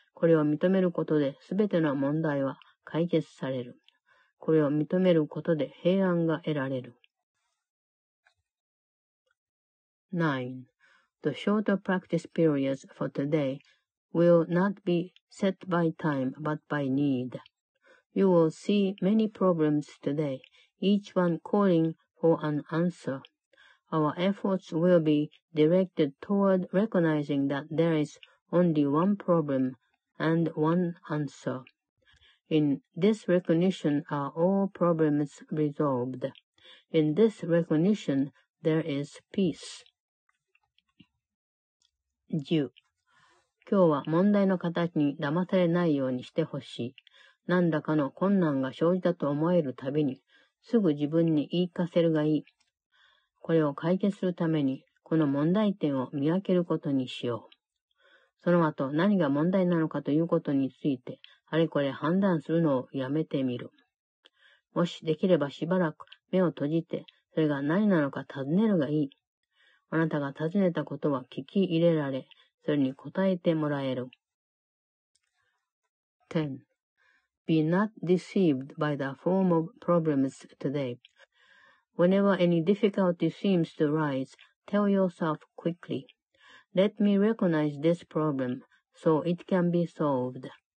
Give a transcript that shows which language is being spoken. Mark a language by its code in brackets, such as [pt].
[ja] これを認めることで全ての問題は解決される。これを認めることで平安が得られる。 [en] 9. The shorter practice periods for today will not be set by time but by need. You will see many problems today, each one calling for an answer. Our efforts will be directed toward recognizing that there is only one problem and one answer. In this recognition are all problems resolved. In this recognition there is peace. [ja] 10. 今日は問題の形に騙されないようにしてほしい。何らかの困難が生じたと思えるたびに、すぐ自分に言い聞かせるがいい。これを解決するために、この問題点を見分けることにしよう。その後、何が問題なのかということについて、あれこれ判断するのをやめてみる。もしできればしばらく目を閉じて、それが何なのか尋ねるがいい。あなたが尋ねたことは聞き入れられ、それに答えてもらえる。 [en] 10. Be not deceived by the form of problems today. Whenever any difficulty seems to rise, tell yourself quickly, Let me recognize this problem so it can be solved.